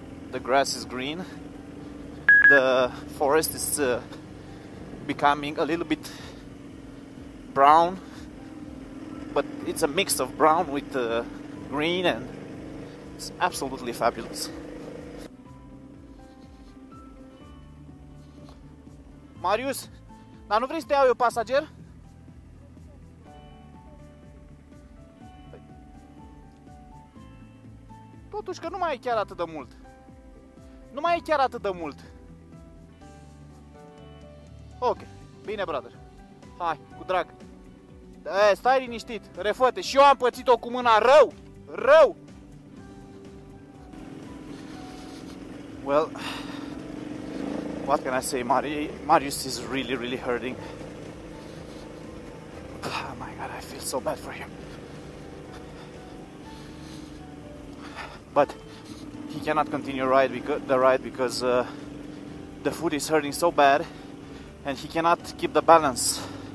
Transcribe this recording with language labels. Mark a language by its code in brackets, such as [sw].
[en] The grass is green, the forest is becoming a little bit brown, but it's a mix of brown with green, and it's absolutely fabulous. [ro] Marius, dar nu vrei să te iau eu pasager? Totuși că nu mai e chiar atât de mult. Nu mai e chiar atât de mult. Ok, bine, brother. Hai, cu drag. Stai liniștit, refă-te. Și eu am pățit-o cu mâna rău. [en] Well, what can I say, Marius is really, really hurting. Oh my God, I feel so bad for him. But he cannot continue the ride because the foot is hurting so bad, and he cannot keep the balance.